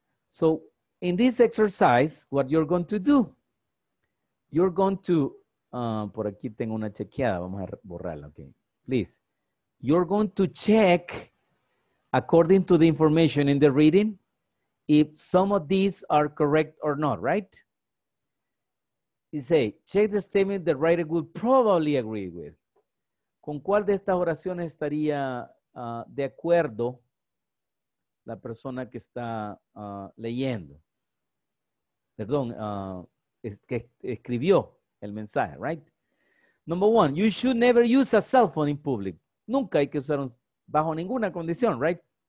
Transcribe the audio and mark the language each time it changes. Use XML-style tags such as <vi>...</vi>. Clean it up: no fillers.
<en>So, in this exercise, what you're going to do, you're going to,</en> <es>por aquí tengo una chequeada, vamos a borrarla,</es> <en>okay? Please. You're going to check, according to the information in the reading, if some of these are correct or not, right? You say, check the statement the writer would probably agree with.</en> <es>¿Con cuál de estas oraciones estaría de acuerdo la persona que está leyendo? Perdón, escribió el mensaje, right?</es> <en>Number one, you should never use a cell phone in public.</en> <es>Nunca hay que usar bajo ninguna condición, right?</es>